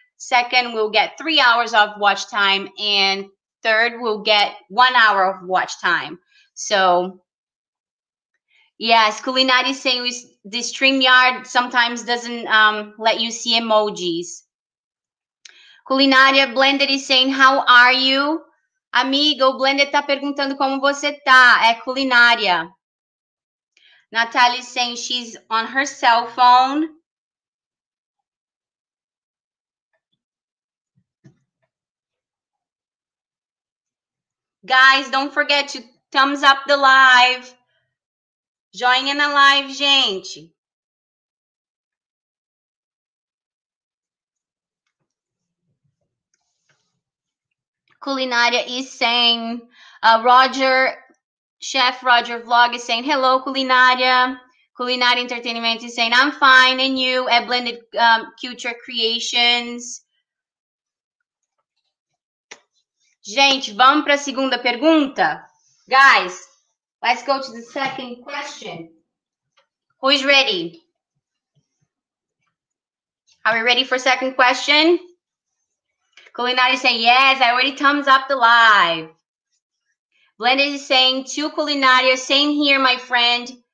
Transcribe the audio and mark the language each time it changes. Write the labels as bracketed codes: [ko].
[en] Second will get 3 hours of watch time, and third will get 1 hour of watch time. So, yes, Culinary is saying the StreamYard sometimes doesn't let you see emojis. Culinária Blended is saying, how are you? [pt] Amigo, Blended está perguntando como você tá. É Culinária. [en] Natália is saying she's on her cell phone. Guys, don't forget to thumbs up the live. Join in the live, gente. Culinária is saying, Roger, Chef Roger Vlog is saying, hello, Culinária. Culinária Entertainment is saying, I'm fine, and you at Blended Culture Creations. [pt] Gente, vamos para a segunda pergunta? [en] Guys, let's go to the second question. Who's ready? Are we ready for second question? Culinária is saying, yes, I already thumbs up the live. Blended is saying, to Culinária, same here, my friend.